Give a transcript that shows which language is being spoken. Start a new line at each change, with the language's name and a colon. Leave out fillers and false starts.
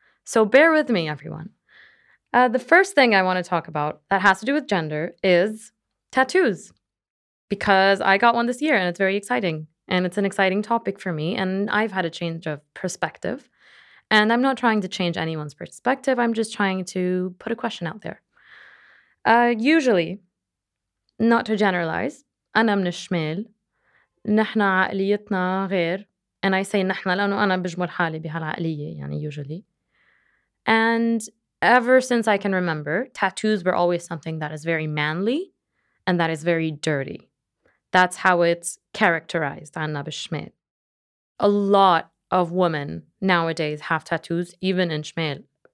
English: So bear with me, everyone. The first thing I want to talk about that has to do with gender is tattoos, because I got one this year and it's very exciting. And it's an exciting topic for me, and I've had a change of perspective. And I'm not trying to change anyone's perspective. I'm just trying to put a question out there. Usually, not to generalize,
Arabic: أنا من الشمال, نحنا عقليتنا غير,
English: and I say
Arabic: نحنا لأنه أنا بجمل حالي بهالعقلية, يعني
English: usually. And ever since I can remember, tattoos were always something that is very manly and that is very dirty. That's how it's characterized,
Arabic: أنا بالشمال.
English: A lot of women nowadays have tattoos, even in شمال.